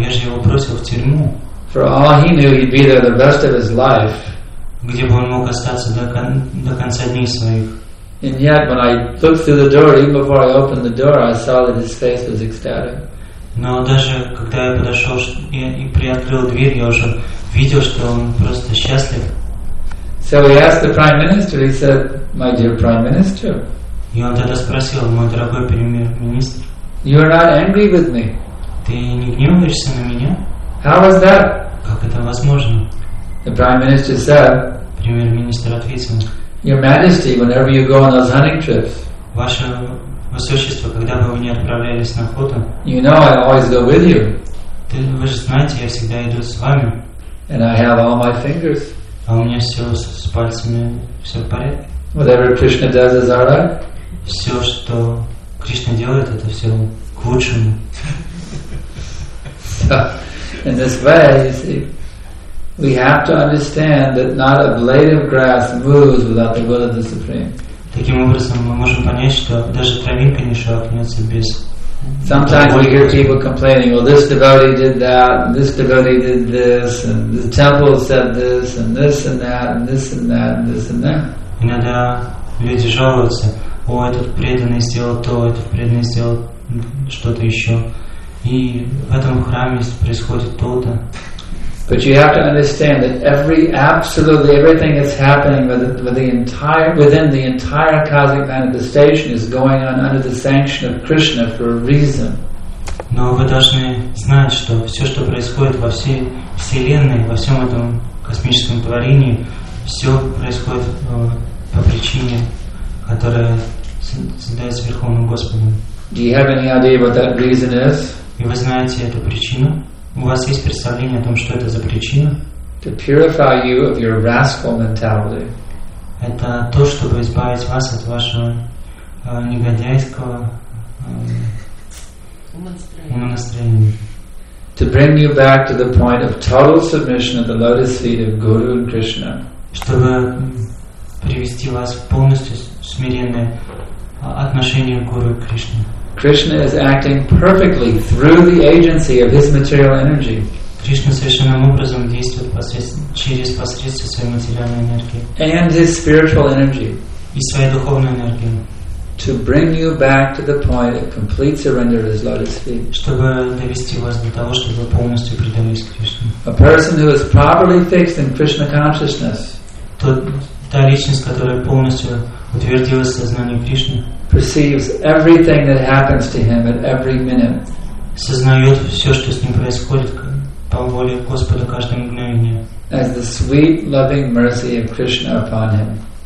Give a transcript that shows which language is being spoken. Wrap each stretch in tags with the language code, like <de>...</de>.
<ru>Я же его бросил в тюрьму.</ru> <en>For all he knew, he'd be there the rest of his life.</en> <ru>Где бы он мог остаться до конца дней своих.</ru> <en>And yet, when I looked through the door, even before I opened the door, I saw that his face was ecstatic.</en> <ru>Но даже когда я подошел и приоткрыл дверь, я уже видел, что он просто счастлив.</ru> <en>So he asked the prime minister. He said, "My dear prime minister."</en> <ru>И он тогда спросил, мой дорогой премьер-министр.</ru> <en>You are not angry with me.</en> <ru>Ты не гневаешься на меня?</ru> <en>How was that?</en> <ru>Как это возможно?</ru> <en>The prime minister said.</en> <ru>Премьер-министр ответил.</ru> <en>Your Majesty, whenever you go on those hunting trips.</en> <ru>Ваше высочество, когда бы вы не отправлялись на охоту.</ru> <en>You know I always go with you.</en> <ru>Вы же знаете, я всегда иду с вами.</ru> <en>And I have all my fingers.</en> <ru>А у меня все с пальцами, все в порядке.</ru> <en>Whatever Krishna does is all right.</en> <ru>Все, что Кришна делает, это все к лучшему.</ru> <en>In this way, you see, we have to understand that not a blade of grass moves without the will of the Supreme.</en> <ru>Таким образом, мы можем понять, что даже травинка не шелохнется без.</ru> <en>Sometimes we hear people complaining, well, this devotee did that, and this devotee did this, and the temple said this, and this and that, and this and that, and this and that.</en> <ru>Иногда люди жалуются, о, этот преданный сделал то, этот преданный сделал что-то еще. И в этом храме происходит то-то.</ru> <en>But you have to understand that everything that's happening within the entire cosmic manifestation is going on under the sanction of Krishna for a reason.</en> <ru>Но вы должны знать, что все, что происходит во всей вселенной, во всем этом космическом творении, все происходит по причине, которая создается Верховным Господом.</ru> <en>Do you have any idea what that reason is?</en> <ru>И вы знаете эту причину? У вас есть представление о том, что это за причина?</ru> <en>To purify you of your rascal mentality.</en> <ru>Это то, чтобы избавить вас от вашего негодяйского умонастроения.</ru> <en>To bring you back to the point of total submission at the lotus feet of Guru and Krishna.</en> <ru>Чтобы привести вас в полностью смиренное отношение к Гуру и Кришне.</ru> <en>Krishna is acting perfectly through the agency of his material energy.</en> <ru>Кришна совершенным образом действует через посредством своей материальной энергии.</ru> <en>And his spiritual energy.</en> <ru>И своей духовной энергии.</ru> <en>To bring you back to the point of complete surrender is lotus feet.</en> <ru>Чтобы довести вас до того, чтобы вы полностью предались Кришне.</ru> <en>A person who is properly fixed in Krishna consciousness.</en> <ru>Та личность, которая полностью утвердилась в сознании Кришны.</ru> <en>Perceives everything that happens to him at every minute.</en> <ru>Сознает все, что с ним происходит по воле Господа каждое мгновение.</ru> <en>As the sweet loving mercy of Krishna upon him.</en>